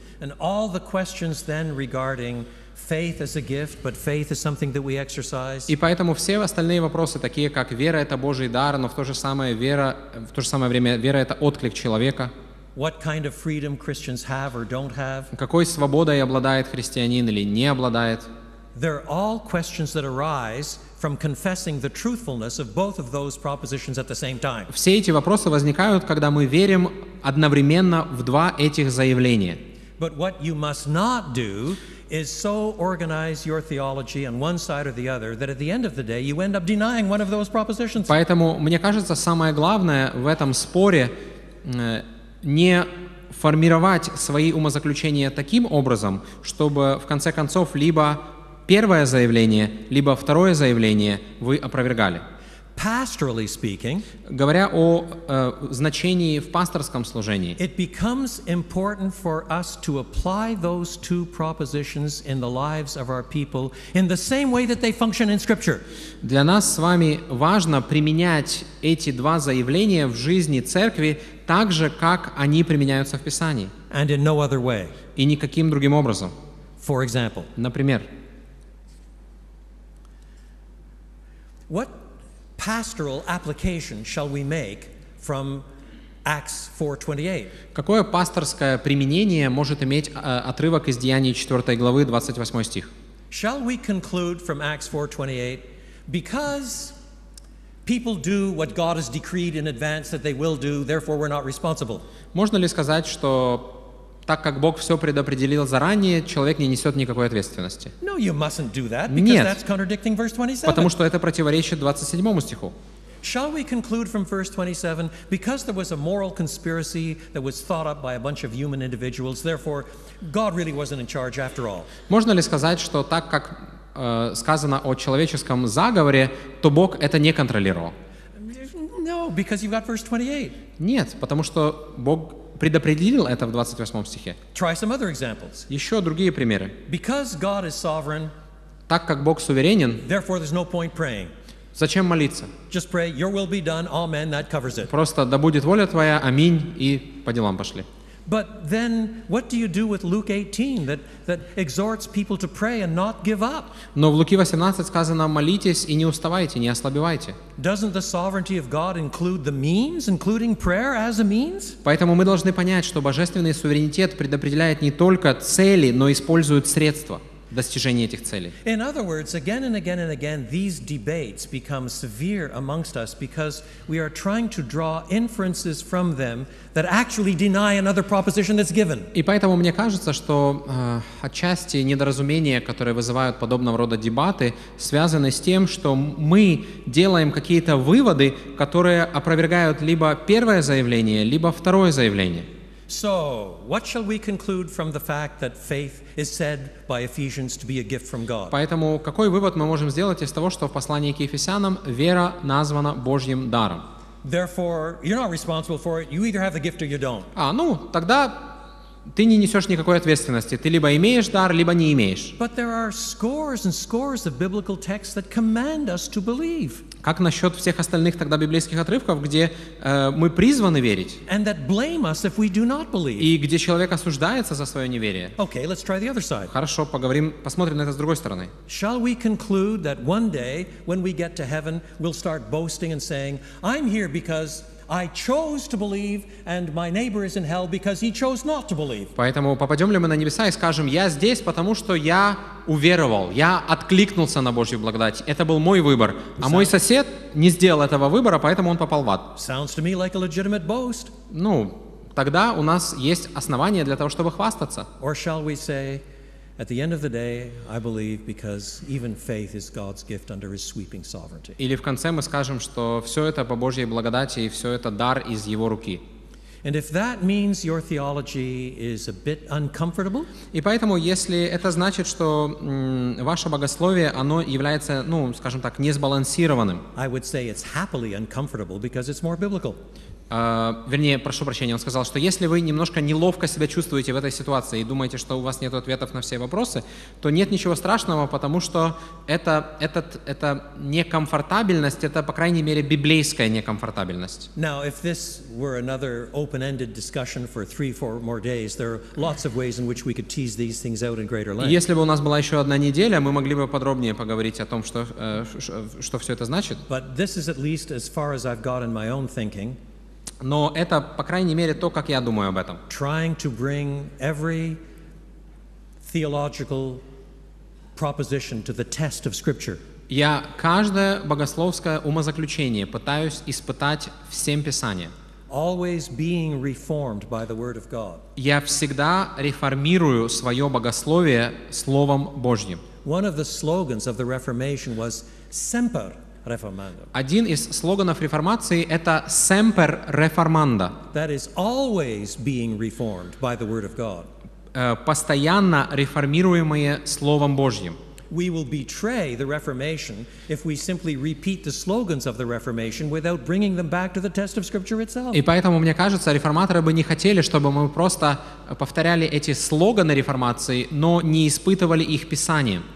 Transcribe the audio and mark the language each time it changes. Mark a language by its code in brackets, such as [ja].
[en] And all the questions then regarding faith as a gift, but faith is something that we exercise. [ru] И поэтому все остальные вопросы, такие как вера — это Божий дар, но в то же самое время вера — это отклик человека. [en] What kind of freedom Christians have or don't have? [ru] Какой свободой обладает христианин или не обладает? [en] They're all questions that arise from confessing the truthfulness of both of those propositions at the same time. [ru] Все эти вопросы возникают, когда мы верим одновременно в два этих заявления. [en] But what you must not do is so organize your theology on one side or the other that at the end of the day you end up denying one of those propositions. [ru] Поэтому мне кажется, самое главное в этом споре не формировать свои умозаключения таким образом, чтобы в конце концов либо первое заявление, либо второе заявление вы опровергали. [en] Pastorally speaking, [ru] говоря о значении в пасторском служении, [en] it becomes important for us to apply those two propositions in the lives of our people in the same way that they function in Scripture. [ru] Для нас с вами важно применять эти два заявления в жизни церкви так же, как они применяются в Писании. [en] And in no other way. [ru] И никаким другим образом. [en] For example, [ru] например, [en] what pastoral application shall we make from Acts 4:28. [ru] Какое пасторское применение может иметь отрывок из Деяний 4 главы 28 стих? [en] Shall we conclude from Acts 4:28 because people do what God has decreed in advance that they will do, therefore we're not responsible? [ru] Можно ли сказать, что так как Бог все предопределил заранее, человек не несет никакой ответственности? [en] No, you mustn't do that because [ru] Нет, [en] that's contradicting verse 27. [ru] Потому что это противоречит 27 стиху. [en] Shall we conclude from verse 27 because there was a moral conspiracy that was thought up by a bunch of human individuals, therefore God really wasn't in charge after all? [ru] Можно ли сказать, что так как сказано о человеческом заговоре, то Бог это не контролировал? [en] No, because you've got verse 28. [ru] Нет, потому что Бог предопределил это в 28 стихе. [en] Try some other examples. [ru] Еще другие примеры. [en] Because God is sovereign, [ru] так как Бог суверенен, [en] therefore there's no point praying. [ru] Зачем молиться? [en] Just pray, your will be done, amen, that covers it. [ru] Просто да будет воля твоя, аминь, и по делам пошли. [en] But then, what do you do with Luke 18 that exhorts people to pray and not give up? [ru] Но в Луки 18 сказано, молитесь и не уставайте, не ослабевайте. [en] Doesn't the sovereignty of God include the means, including prayer as a means? [ru] Поэтому мы должны понять, что божественный суверенитет предопределяет не только цели, но использует средства. Достижение этих целей. [en] In other words, again and again and again, these debates become severe amongst us because we are trying to draw inferences from them that actually deny another proposition that's given. [ru] И поэтому мне кажется, что отчасти недоразумения, которые вызывают подобного рода дебаты, связаны с тем, что мы делаем какие-то выводы, которые опровергают либо первое заявление, либо второе заявление. [en] So, what shall we conclude from the fact that faith is said by Ephesians to be a gift from God? [ru] Поэтому какой вывод мы можем сделать из того, что в послании к Ефесянам вера названа Божьим даром? [en] Therefore, you're not responsible for it. You either have the gift or you don't. [ru] А, ну, тогда ты не несешь никакой ответственности. Ты либо имеешь дар, либо не имеешь. [en] But there are scores and scores of biblical texts that command us to believe. [ru] Как насчет всех остальных тогда библейских отрывков, где мы призваны верить? [en] And that blame us if we do not believe. [ru] И где человек осуждается за свое неверие? [en] Okay, let's try the other side. [ru] Хорошо, посмотрим на это с другой стороны. [en] Shall we conclude that one day, when we get to heaven, we'll start boasting and saying, I'm here because I chose to believe, and my neighbor is in hell because he chose not to believe. [ru] Поэтому попадем ли мы на небеса и скажем, я здесь, потому что я уверовал, я откликнулся на Божью благодать. Это был мой выбор. А мой сосед не сделал этого выбора, поэтому он попал в ад. [en] Sounds to me like a legitimate boast. [ru] Ну, тогда у нас есть основания для того, чтобы хвастаться. [en] Or shall we say, at the end of the day, I believe because even faith is God's gift under His sweeping sovereignty. [ru] Или в конце мы скажем, что все это по Божьей благодати и все это дар из Его руки. [en] And if that means your theology is a bit uncomfortable, [ru] и поэтому если это значит, что ваше богословие оно является, ну, скажем так, несбалансированным, [en] I would say it's happily uncomfortable because it's more biblical. [ru] Вернее, прошу прощения, он сказал, что если вы немножко неловко себя чувствуете в этой ситуации и думаете, что у вас нет ответов на все вопросы, то нет ничего страшного, потому что эта некомфортабельность, это, по крайней мере, библейская некомфортабельность. [en] Now, if this were another open-ended discussion for 3-4 more days, there are lots of ways in which we could tease these things out in greater length. [ru] Если бы у нас была еще одна неделя, мы могли бы подробнее поговорить о том, что все это значит. [en] But this is at least as far as I've got in my own thinking. [ru] Но это, по крайней мере, то, как я думаю об этом. [en] Trying to bring every theological proposition to the test of Scripture. [ru] Я каждое богословское умозаключение пытаюсь испытать всем Писанием. [en] Always being reformed by the Word of God. [ru] Я всегда реформирую свое богословие Словом Божьим. [en] One of the slogans of the Reformation was Semper. [ru] Один из слоганов реформации — это [la] «Semper Reformanda». [en] That is always being reformed by the Word of God. [ru] Постоянно реформируемые Словом Божьим. [en] We will betray the Reformation if we simply repeat the slogans of the Reformation without bringing them back to the test of Scripture itself. [ru] И поэтому, мне кажется, реформаторы бы не хотели, чтобы мы просто повторяли эти слоганы реформации, но не испытывали их Писанием.